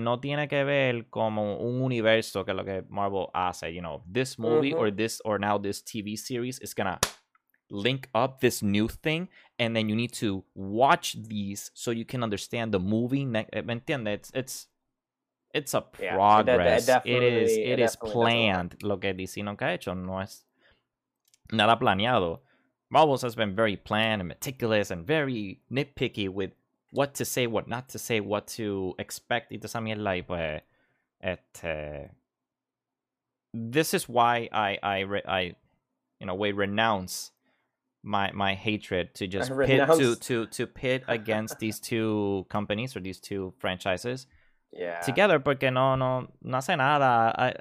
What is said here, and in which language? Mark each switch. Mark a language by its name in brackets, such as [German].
[Spanish] No tiene que ver como un universo que lo que Marvel hace. [English] You know, this movie or now this TV series is gonna link up this new thing, and then you need to watch these so you can understand the movie. [Spanish] ¿Me entiendes? [English] It's a progress. It is planned. [Spanish] Lo que DC nunca ha hecho no es nada planeado. [English] Marvel's has been very planned and meticulous and very nitpicky with what to say, what not to say, what to expect. [Spanish] Esto también es [English] like, [Spanish] pues, [English] this is why I in a way renounce my hatred to pit against these two companies or these two franchises together, [Spanish] porque no hace nada.